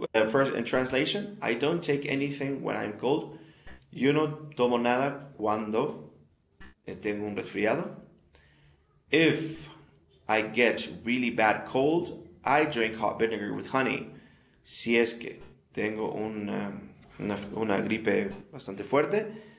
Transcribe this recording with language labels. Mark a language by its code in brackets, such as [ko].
[en] First in translation, I don't take anything when I'm cold. [es] Yo no tomo nada cuando tengo un resfriado. [en] If I get really bad cold, I drink hot vinegar with honey. [es] Si es que tengo una gripe bastante fuerte,